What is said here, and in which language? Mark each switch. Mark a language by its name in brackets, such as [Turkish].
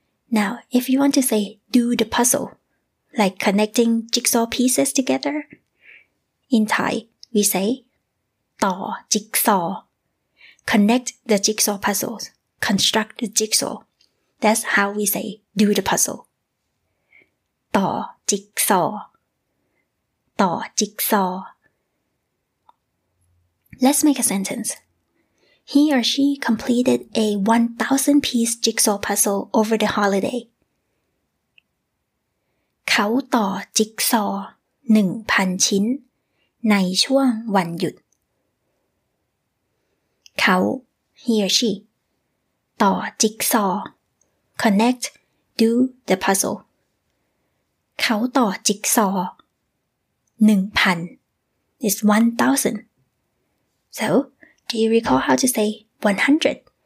[English] Now, if you want to say do the puzzle, like connecting jigsaw pieces together, in Thai, we say [Thai] ต่อ jigsaw. [English] Connect the jigsaw puzzles, construct the jigsaw. That's how we say, do the puzzle. [Thai] ต่อจิ๊กซอต่อจิ๊กซอ [English] Let's make a sentence. He or she completed a 1,000-piece jigsaw puzzle over the holiday. [Thai] เขาต่อจิ๊กซอ 1,000 ชิ้นในช่วงวันหยุดเขา [English] he or she, [Thai] ต่อจิ๊กซอ [English] Connect, do the puzzle. [Thai] เขาต่อจิ๊กซอ [English] 1,000 is 1,000. So, do you recall how to say 100?